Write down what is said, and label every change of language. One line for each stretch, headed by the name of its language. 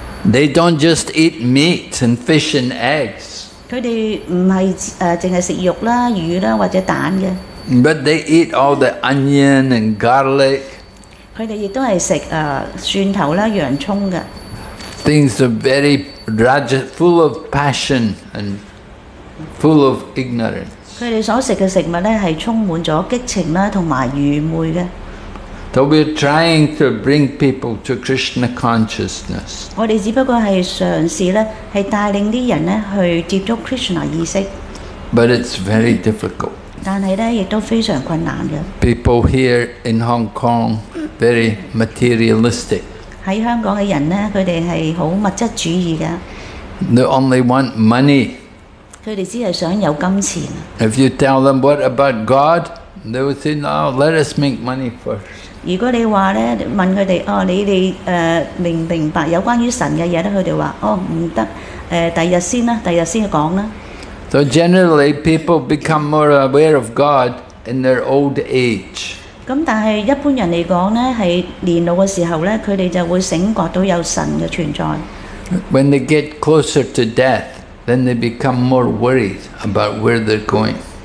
English: They don't just eat meat and fish and eggs.
Chinese: 他們不是只吃肉、魚或者蛋的。
English: But they eat all the onion and garlic.
Chinese: 他們也是吃蒜頭、洋葱的。
English: Things are very rajas, full of passion and full of ignorance.
Chinese: 他們所吃的食物是充滿了激情和愚昧的。
English: So we are trying to bring people to Krishna consciousness.
Chinese: 我們只不過是嘗試帶領人去接觸Krishna意識。
English: But it's very difficult. People here in Hong Kong very materialistic. They only want money. If you tell them what about God, they will say, no, let us make money first.
Chinese: 如果你問他們,你們明白有關於神的事,他們說,不行,第日先說吧。
English: So generally, people become more aware of God in their old age.
Chinese: 但是一般人來說,年老的時候,他們就會醒覺到有神的存在。
English: When they get closer to death, then they become more worried about where they're going.